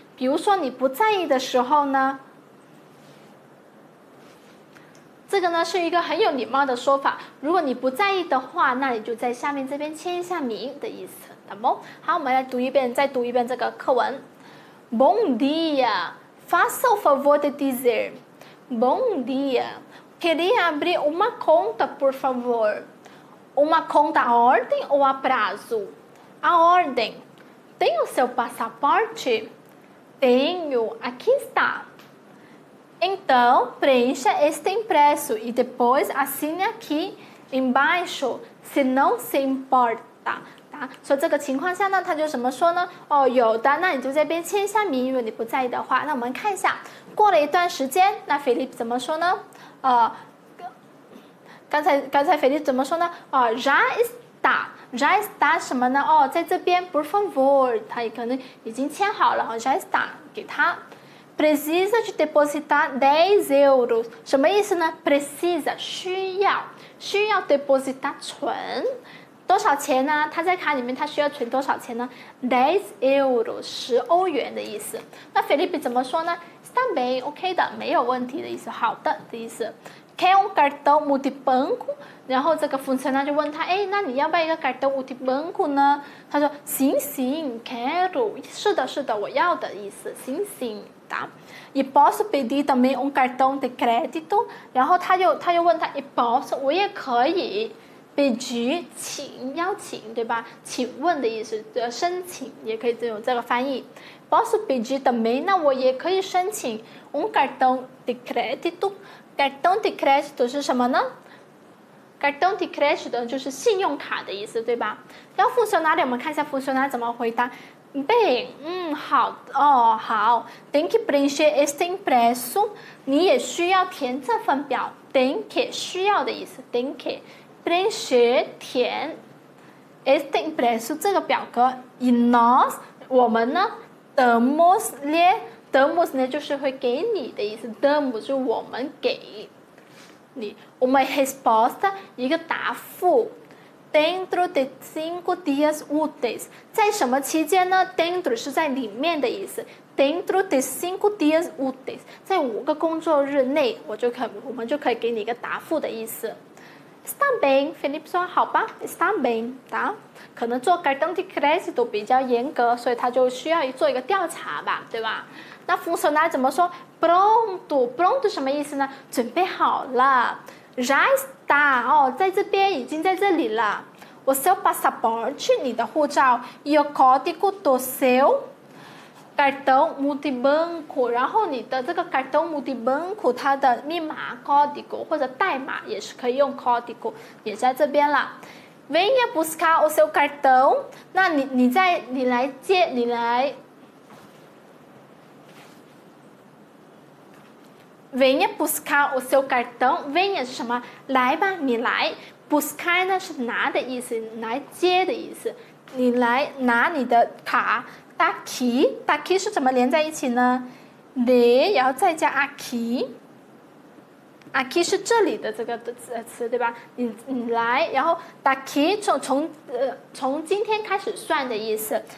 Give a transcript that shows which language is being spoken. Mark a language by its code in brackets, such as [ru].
[zh] 比如说你不在意的时候呢，这个呢是一个很有礼貌的说法。如果你不在意的话，那你就在下面这边签一下名的意思。好，我们来读一遍，再读一遍这个课文。 [pt] Bom dia， faça o favor de dizer。 Bom dia， queria abrir uma conta por favor。 Uma conta a ordem ou a prazo？ A ordem。 Tem o seu passaporte？ Tenho, aqui está. Então, preencha este impresso e depois assine aqui embaixo, se não se importa. [zh] 啊，所以这个情况下呢，他就怎么说呢？哦，有的，那你就这边签一下名，如果你不在意的话。那我们看一下，过了一段时间，那菲利怎么说呢？刚才菲利怎么说呢？哦 ，já está。 [pt] Já está [zh] 什么呢？哦，在这边 ， [pt] por favor， [zh] 他可能已经签好了，然后 [pt] já está [zh] 给他。 [pt] Precisa de depositar 10 euros， [zh] 什么意思呢 [pt] ？Precisa 需要 depositar [zh] 存多少钱呢？他在卡里面他需要存多少钱呢 ？ [pt] 10 euros [zh] 10欧元的意思。那 Felipe 怎么说呢 ？ [pt] Está bem， [zh] OK 的，没有问题的意思，好的的意思。 [pt] Quer um cartão multibanco？ [zh] 然后这个 funcionário 就问他，哎，那你要不要一个 [pt] cartão multibanco [zh] 呢？他说 [pt] sim sim quero， [zh] 是的是的，我要的意思 sim sim。 [pt] E posso pedir também um cartão de crédito？ [zh] 然后他又问他 [pt] e posso， [zh] 我也可以 pedir， 请邀请，对吧？请问的意思，申请也可以用这个翻译。 [pt] Posso pedir também？ [zh] 那我也可以申请 [pt] um cartão de crédito。 Cartão de crédito [zh] 是什么呢？ Cartão de crédito 就是信用卡的意思，对吧？要 funcionário， 我们看一下 funcionário 怎么回答。 Bem， 好哦，好。 [pt] Tem que preencher este impresso， [zh] 你也需要填这份表。 [pt] Tem que [zh] 需要的意思 [pt] ，tem que preencher 填 este impresso [zh] 这个表格。 [pt] E nós [zh] 我们呢 [pt] ，damos lhe，damos lhe [zh] 就是会给你的意思 [pt] ，damos [zh] 就我们给。里 ， [pt] una resposta [zh] 一个答复 ， [pt] dentro de cinco dias úteis [zh] 在什么期间呢 ？dentro 是在里面的意思 ，dentro de cinco dias úteis 在五个工作日内，我们就可以给你一个答复的意思。 [pt] Está bem, Felipe [zh] 说好吧 [pt] ，está bem， 答。 [zh] 可能做 cartão de crédito 比较严格，所以他就需要做一个调查吧，对吧？那 funcionário 怎么说 ？Pronto， pronto 什么意思呢？准备好了。 [pt] Já está， [zh] 哦，在这边已经在这里了。 [pt] O seu passaporte， [zh] 你的护照。 [pt] E o código do seu cartão multibanco， [zh] 然后你的这个 cartão multibanco 它的密码 código 或者代码也是可以用 código， 也在这边了。 [pt] Venha buscar o seu cartão. [zh] 那你来接你来。 [pt] Venha buscar o seu cartão. [zh] Venha 是什么？来吧，你来。 Buscar 呢是拿的意思，来接的意思。你来拿你的卡。 Daqui, daqui 是怎么连在一起呢 ？De， 然后再加 aqui。 Aqui 是这里的这个词，对吧？你来，然后 daqui 从今天开始算的意思。